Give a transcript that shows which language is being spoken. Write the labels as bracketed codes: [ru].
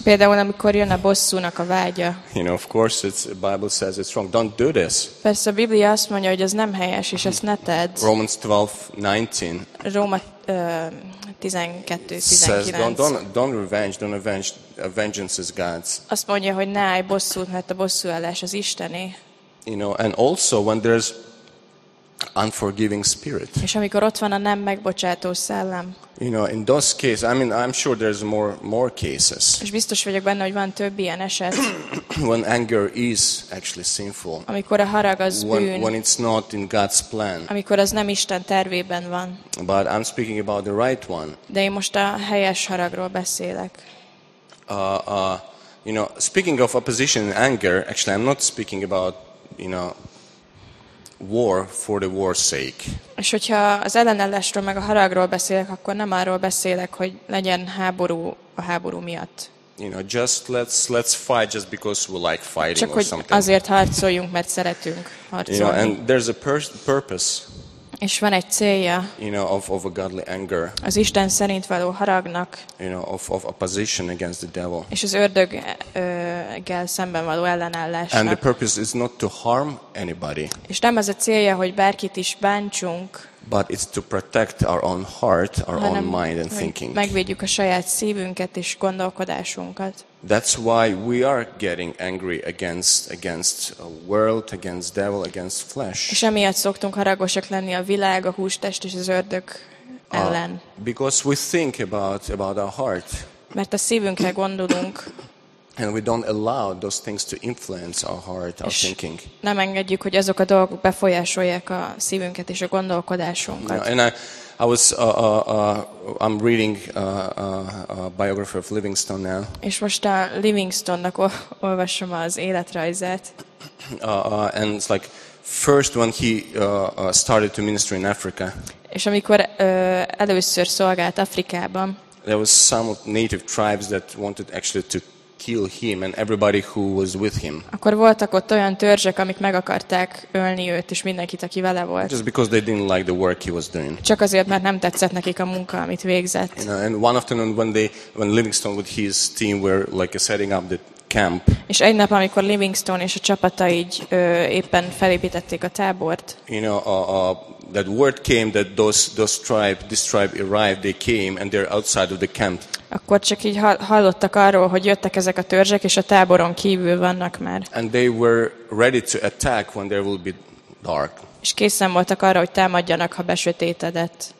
[hu] Például amikor jön a bosszúnak a vágya. [en] You know, of course, it's the Bible says it's wrong. Don't do this. [hu] Persze a Biblia azt mondja, hogy ez nem helyes, és ezt ne tedd. [en] Romans 12:19. [hu] Róma 12:19. [en] Says don't revenge, don't avenge. A vengeance is God's. [hu] Azt mondja, hogy ne állj bosszút, mert a bosszúállás az Istené. [en] You know, and also when there's unforgiving spirit. [hu] És amikor ott van a nem megbocsátó szellem. [en] You know, in those cases, I mean, I'm sure there's more cases. [hu] És biztos vagyok benne, hogy van több ilyen eset. [en] When anger is actually sinful. [hu] Amikor a harag az bűn. [en] When it's not in God's plan. [hu] Amikor az nem Isten tervében van. [en] But I'm speaking about the right one. [hu] De én most a helyes haragról beszélek. [en] You know, speaking of opposition and anger, actually I'm not speaking about, you know, war for the war's sake. [hu] És hogyha az ellenállásról meg a haragról beszélek, akkor nem arról beszélek, hogy legyen háború a háború miatt. [en] You know, just let's fight just because we like fighting. [hu] Csak [en] or [hu] hogy [en] something. [hu] Azért harcoljunk, mert szeretünk harcolni. [en] You know, and there's a purpose. [hu] És van egy célja. [en] You know, of a godly anger. [hu] Az Isten szerint való haragnak. [en] You know, of opposition against the devil. [hu] És az ördöggel szemben való ellenállásnak. [en] And the purpose is not to harm anybody. [hu] És nem az a célja, hogy bárkit is bántsunk. [en] But it's to protect our own heart, our own mind and thinking. [hu] Megvédjük a saját szívünket és gondolkodásunkat. [en] That's why we are getting angry against a world, against devil, against flesh. [hu] És emiatt szoktunk haragosak lenni a világ, a hústest és az ördög ellen. [en] Because we think about our heart. [hu] Mert a szívünkre gondolunk. [en] And we don't allow those things to influence our heart, our thinking. [hu] Nem engedjük, hogy azok a dolgok befolyásolják a szívünket és a gondolkodásunkat. [en] You know, and I'm reading a biography of Livingstone now. [hu] És most a Livingstone-nak olvasom az életrajzát. [en] And it's like first when he started to minister in Africa. [hu] És amikor először szolgált Afrikában. [en] There was some native tribes that wanted actually to kill him and everybody who was with him. [hu] Akkor voltak ott olyan törzsek, amik meg akarták ölni őt és mindenkit, aki vele volt. [en] Just because they didn't like the work he was doing. [hu] Csak azért, mert nem tetszett nekik a munka, amit végzett. [en] You know, and one afternoon when Livingstone with his team were like setting up the camp. [hu] És egy nap, amikor Livingstone és a csapata így éppen felépítették a tábort. [en] You know, that word came that this tribe arrived, they came and they're outside of the camp. [hu] Akkor csak így hallottak arról, hogy jöttek ezek a törzsek és a táboron kívül vannak már. [en] And they were ready to attack when there will be dark. [hu] És készen voltak arra, hogy támadjanak, ha besötétedett.